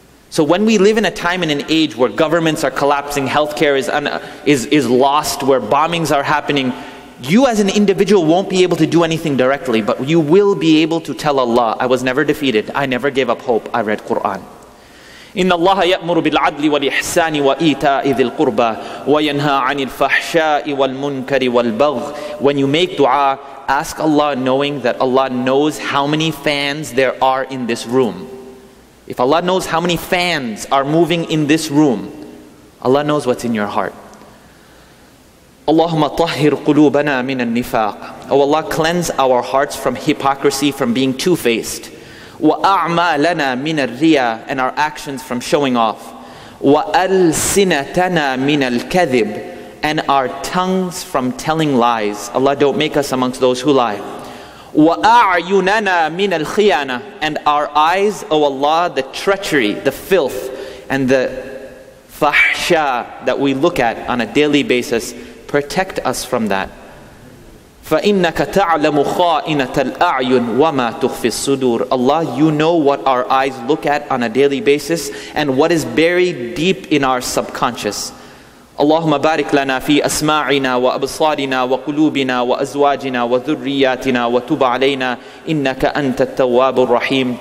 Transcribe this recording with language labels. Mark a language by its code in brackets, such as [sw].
[en] So when we live in a time and an age where governments are collapsing, healthcare is lost, where bombings are happening, you as an individual won't be able to do anything directly, but you will be able to tell Allah, I was never defeated, I never gave up hope, I read Quran. [ar] إن الله يأمر بالعدل والإحسان وإيتاء ذي القربى وينهى عن الفحشاء والمنكر والبغ. [en] When you make dua, ask Allah, knowing that Allah knows how many fans there are in this room. If Allah knows how many fans are moving in this room, Allah knows what's in your heart. [ar] اللهم طهر قلوبنا من النفاق. [en] Oh Allah, cleanse our hearts from hypocrisy, from being two-faced. [ar] وَأَعْمَالَنَا مِنَ الرِّيَا, [en] and our actions from showing off. [ar] وَأَلْسِنَتَنَا مِنَ الْكَذِبِ, [en] and our tongues from telling lies. Allah, don't make us amongst those who lie. [ar] وَأَعْيُنَنَا مِنَ الْخِيَانَةِ, [en] and our eyes, oh Allah, the treachery, the filth, and the fahsha that we look at on a daily basis, protect us from that. [ar] فَإِنَّكَ تَعْلَمُ خَائِنَةَ الْأَعْيُنِ وَمَا تُخْفِي الصُّدُورِ. [en] Allah, you know what our eyes look at on a daily basis and what is buried deep in our subconscious. [ar] اللهم بارك لنا في أسماعنا وأبصارنا وقلوبنا وأزواجنا وذرياتنا وتب علينا إنك أنت التواب الرحيم.